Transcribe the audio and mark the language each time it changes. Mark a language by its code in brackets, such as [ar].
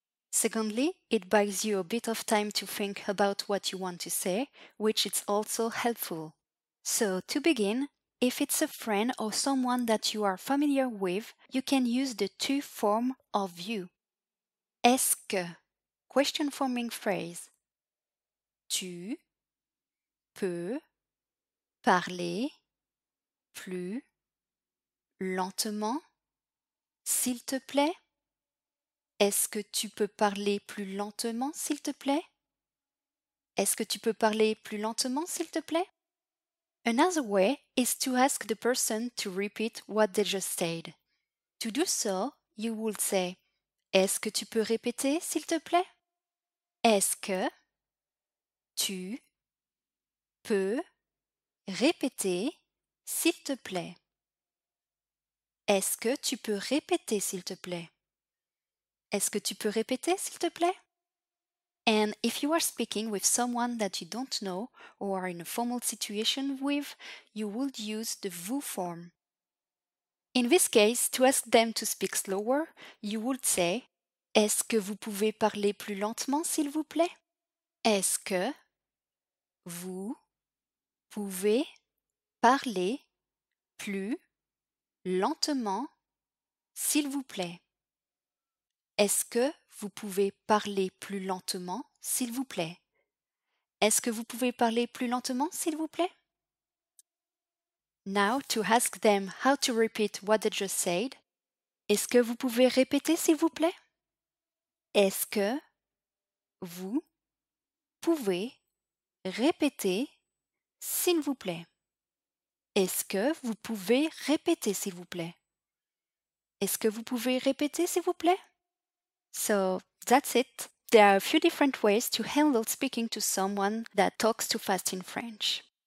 [en] Secondly, it buys you a bit of time to think about what you want to say, which is also helpful. So to begin, if it's a friend or someone that you are familiar with, you can use the two form of you. [fr] Est-ce que? [en] Question forming phrase. [fr] Tu peux parler plus lentement, s'il te plaît? Est-ce que tu peux parler plus lentement, s'il te plaît? Est-ce que tu peux parler plus lentement, s'il te plaît? [en] Another way is to ask the person to repeat what they just said. To do so, you would say, [fr] Est-ce que tu peux répéter, s'il te plaît? Est-ce que tu peux répéter, s'il te plaît? Est-ce que tu peux répéter, s'il te plaît? Est-ce que tu peux répéter, s'il te plaît? [en] And if you are speaking with someone that you don't know or are in a formal situation with, you would use the vous form. In this case, to ask them to speak slower, you would say [fr] Est-ce que vous pouvez parler plus lentement, s'il vous plaît? Est-ce que vous pouvez parler plus lentement, s'il vous plaît? Est-ce que vous pouvez parler plus lentement, s'il vous plaît? Est-ce que vous pouvez parler plus lentement, s'il vous plaît? [en] Now, to ask them how to repeat what they just said, [fr] est-ce que vous pouvez répéter, s'il vous plaît? Est-ce que vous pouvez répéter, s'il vous plaît? Est-ce que vous pouvez répéter, s'il vous plaît? Est-ce que vous pouvez répéter, s'il vous plaît? [en] So, that's it. There are a few different ways to handle speaking to someone that talks too fast in French.